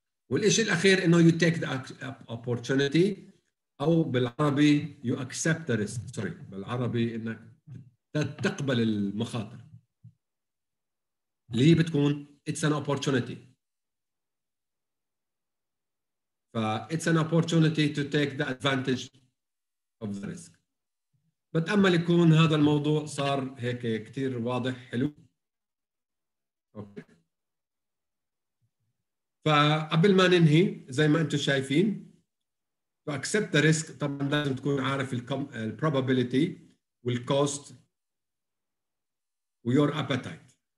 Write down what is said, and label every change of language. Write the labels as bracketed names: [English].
[Arabic] والإشي الأخير إنه [English] you take the opportunity [Arabic] أو بالعربي [English] you accept the risk. [Arabic] سوري بالعربي إنك تتقبل المخاطر. اللي هي بتكون [English] it's an opportunity. It's an opportunity to take the advantage of the risk. [Arabic] بتأمل يكون هذا الموضوع صار هيك كتير واضح حلو. أوكي. فقبل ما ننهي زي ما أنتم شايفين [English] to accept the risk [Arabic] طبعاً لازم تكون عارف ال probability وال [English] cost your appetite.